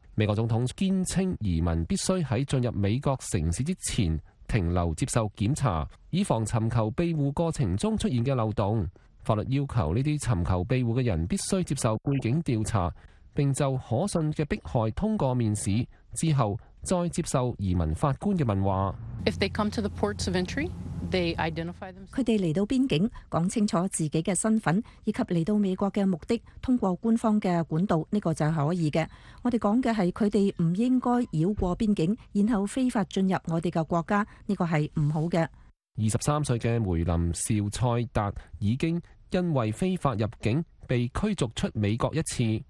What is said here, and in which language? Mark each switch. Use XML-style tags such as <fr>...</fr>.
<zh>美国总统坚称移民必须在进入美国城市之前停留接受检查，以防寻求庇护过程中出现的漏洞。法律要求这些寻求庇护的人必须接受背景调查，并就可信的迫害通过面试，之后再接受移民法官的问话。</zh> <en>If they come to the ports of entry, they identify them.</en> <zh>他们来到边境，讲清楚自己的身份以及来到美国的目的，通过官方的管道，这个就可以的。我们讲的是他们不应该绕过边境，然后非法进入我们的国家，这个是不好的。 23岁的梅林绍塞达已经因为非法入境被驱逐出美国一次。</zh>